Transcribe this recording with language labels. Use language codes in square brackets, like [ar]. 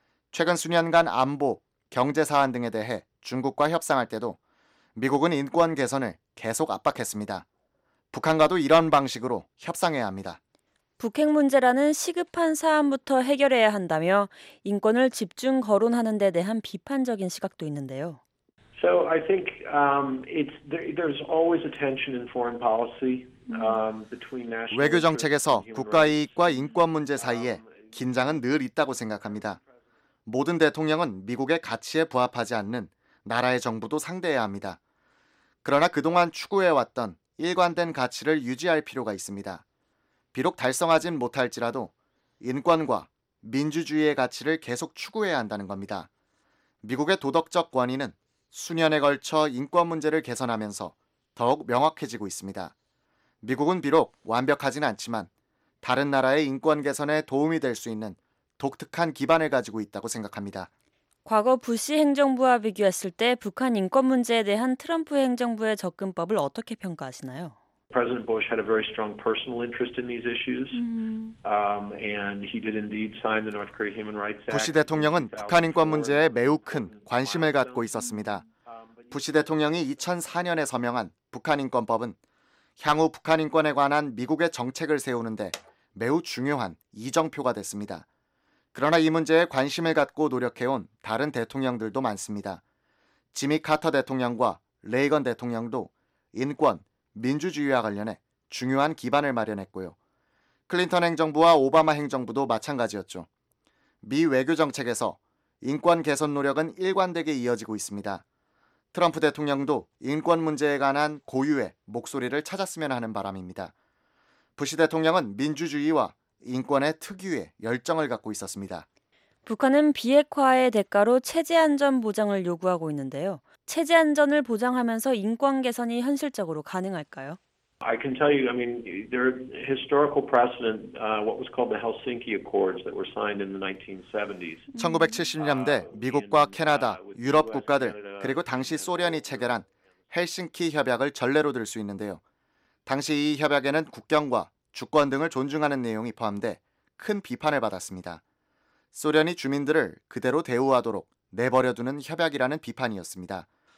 [ko] 최근 수년간 안보, 경제 사안 등에 대해 중국과 협상할 때도 미국은 인권 개선을 계속 압박했습니다. 북한과도 이런 방식으로 협상해야 합니다. 북핵 문제라는 시급한 사안부터 해결해야 한다며 인권을 집중 거론하는 데 대한 비판적인 시각도 있는데요. [en] So I think there's always a tension in foreign policy. [ko] 외교 정책에서 국가 이익과 인권 문제 사이에 긴장은 늘 있다고 생각합니다. 모든 대통령은 미국의 가치에 부합하지 않는 나라의 정부도 상대해야 합니다. 그러나 그동안 추구해왔던 일관된 가치를 유지할 필요가 있습니다. 비록 달성하진 못할지라도 인권과 민주주의의 가치를 계속 추구해야 한다는 겁니다. 미국의 도덕적 권위는 수년에 걸쳐 인권 문제를 개선하면서 더욱 명확해지고 있습니다. 미국은 비록 완벽하진 않지만 다른 나라의 인권 개선에 도움이 될 수 있는 독특한 기반을 가지고 있다고 생각합니다. 과거 부시 행정부와 비교했을 때 북한 인권 문제에 대한 트럼프 행정부의 접근법을 어떻게 평가하시나요? [en] President Bush had a very strong personal interest in these issues. And he did indeed sign the North Korea Human Rights Act. [ko] 부시 대통령은 북한 인권 문제에 매우 큰 관심을 갖고 있었습니다. 부시 대통령이 2004년에 서명한 북한 인권법은 향후 북한 인권에 관한 미국의 정책을 세우는데 매우 중요한 이정표가 됐습니다. 그러나 이 문제에 관심을 갖고 노력해온 다른 대통령들도 많습니다. 지미 카터 대통령과 레이건 대통령도 인권, 민주주의와 관련해 중요한 기반을 마련했고요. 클린턴 행정부와 오바마 행정부도 마찬가지였죠. 미 외교 정책에서 인권 개선 노력은 일관되게 이어지고 있습니다. 트럼프 대통령도 인권 문제에 관한 고유의 목소리를 찾았으면 하는 바람입니다. 부시 대통령은 민주주의와 인권의 특유의 열정을 갖고 있었습니다. 북한은 비핵화의 대가로 체제 안전 보장을 요구하고 있는데요. 체제 안전을 보장하면서 인권 개선이 현실적으로 가능할까요? [en] I can tell you, I mean, there are historical precedent, what was called the Helsinki Accords that were signed in the 1970s. [ko] 1970년대 미국과 캐나다, 유럽 국가들, 그리고 당시 소련이 체결한 헬싱키 협약을 전례로 들 수 있는데요. 당시 이 협약에는 국경과 주권 등을 존중하는 내용이 포함돼 큰 비판을 받았습니다. 소련이 주민들을 그대로 대우하도록 내버려두는 협약이라는 비판이었습니다.